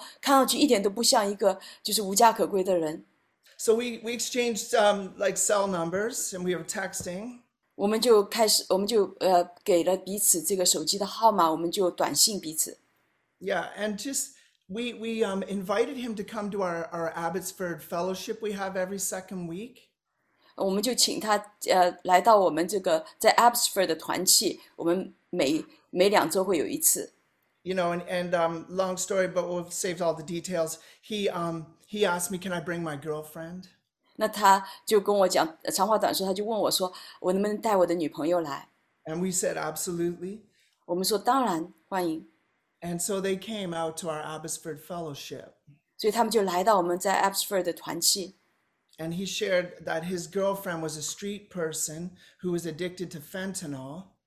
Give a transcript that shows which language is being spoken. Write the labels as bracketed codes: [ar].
[zh] 所以因为他穿得很好，然后看上去一点都不像一个就是无家可归的人。 [en] So we exchanged like cell numbers and we were texting. [zh] 我们就开始，我们就给了彼此这个手机的号码，我们就短信彼此。 [en] Yeah, and just. We invited him to come to our Abbotsford fellowship we have every second week. [zh] 我们就请他来到我们这个在 Abbotsford 的团契，我们每两周会有一次。 [en] You know, and long story, but we've saved all the details. He asked me, "Can I bring my girlfriend?" [zh] 那他就跟我讲长话短说，他就问我说，我能不能带我的女朋友来？ [en] And we said absolutely. [zh] 我们说当然欢迎。 [en] And so they came out to our Abbotsford fellowship. [zh] 所以他们就来到我们在 Abbotsford 的团契. [en] And he shared that his girlfriend was a street person who was addicted to fentanyl.